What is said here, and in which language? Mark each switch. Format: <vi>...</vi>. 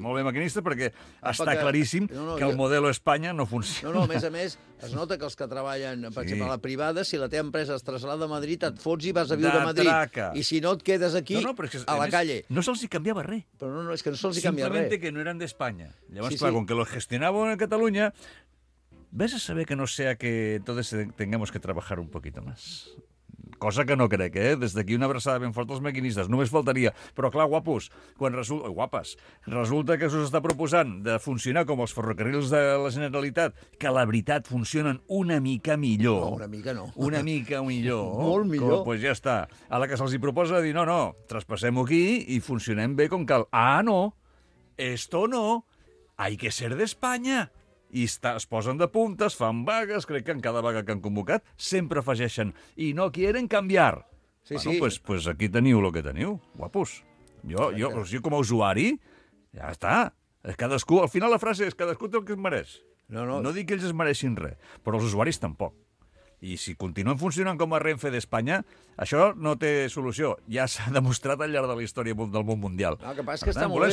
<ca>Molt bé, maquinista, perquè està claríssim que el model Espanya no funciona. No, a més, es nota que els que treballen, per exemple, a la privada, si la teva empresa es traslada a Madrid, et fots i vas a viure a Madrid. Traca. I si no, et quedes aquí,</ca> <es>a la calle.</es> <ca>No se'ls hi canviava res. Però no, és que no se'ls hi canvia res. Simplement que no eren d'Espanya. Llavors, clar, com que lo gestionaven a Catalunya, ves a saber</ca> <es>que no sea que entonces tengamos que trabajar un poquito más.</es> <ca>Cosa que no crec, eh? Des d'aquí una abraçada ben forta als maquinistes. Només faltaria. Però, clar, guapos, quan resulta... Guapes. Resulta que s'està proposant de funcionar com els ferrocarrils de la Generalitat, que, la veritat, funcionen una mica millor. No, una mica no. Una mica millor. Molt millor. Doncs pues ja està. A la que se'ls proposa dir, no, traspassem-ho aquí i funcionem bé com cal. Ah, no.</ca> <es>Esto no. Hay que ser</es> <ca>d'Espanya. I es posen de puntes, fan vagues, crec que en cada vaga que han convocat sempre afegeixen i</ca> <es>no quieren</es> <ca>canviar. Sí, bueno, sí. Pues, aquí teniu el que teniu, guapos. Jo com a usuari, ja està. Cadascú, al final la frase és cadascú té el que es mereix. No dic que ells es mereixin res, però els usuaris tampoc. I si continuen funcionant com a Renfe d'Espanya, això no té solució. Ja s'ha demostrat al llarg de la història del món mundial. El que passa és que està molt bé.</ca>